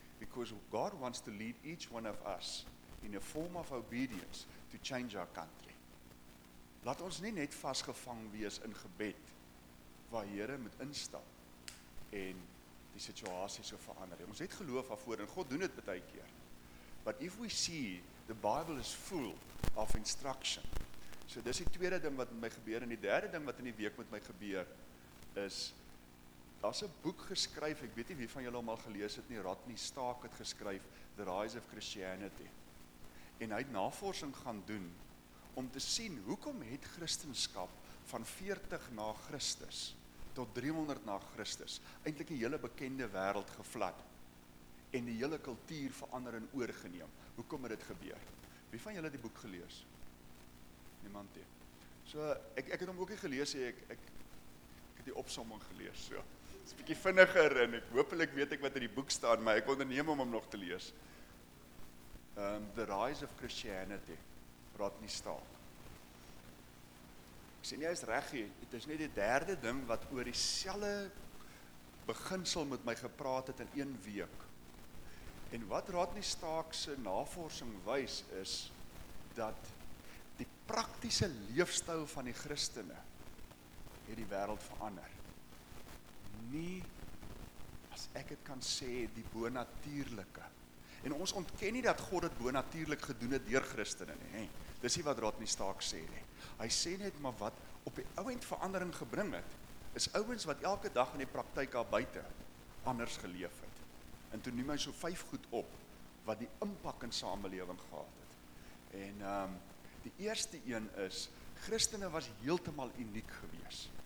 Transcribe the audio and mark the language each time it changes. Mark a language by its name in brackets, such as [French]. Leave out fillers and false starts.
[English] because God wants to lead each one of us in a form of obedience to change our country. [Afrikaans] Laat ons nie net vasgevang wees in gebed waar Here moet instap en die situasie so verander. Ons het geloof daarvoor en God doen dit baie keer. [English] But if we see the Bible is full of instruction. [Afrikaans] So dis die tweede ding wat met my gebeur en die derde ding wat in die week met my gebeur is daar's 'n boek geskryf. Ek weet nie wie van julle hom al gelees het nie. Rodney Stark het geskryf The Rise of Christianity. En hy het navorsing gaan doen om te sien hoekom het Christendom van 40 na Christus tot 300 na Christus eintlik die hele bekende wêreld gevlat en die hele kultuur verander en oorgeneem. Hoekom het dit gebeur? Wie van julle het die boek gelees? Niemand nie. So ek het hom ook nie gelees nie. Ek het die opsomming gelees. So is 'n bietjie vinniger en ek hoopelik weet ek wat in die boek staan, maar ek onderneem om hom nog te lees. The Rise of Christianity. Praat nie staan. Ek sê nie hy is reg nie. Dit is net die derde ding wat oor dieselfde beginsel met my gepraat het in een week. En wat Rodney Stark se navorsing wys is dat die praktiese leefstyl van die Christene het die wêreld verander. Nie as ek dit kan sê die bonatuurlike. En ons ontken nie dat God dit bonatuurlik gedoen het deur Christene nie, hè. Dis nie wat Rodney Stark sê nie. Hy sê net maar wat op die ouend verandering gebring het is ouens wat elke dag in die praktyk daar buite anders geleef het. En toe noem hy so 5 goed op wat die impak in samelewing gehad het. En die eerste een is, Christene was heeltemal uniek gewees.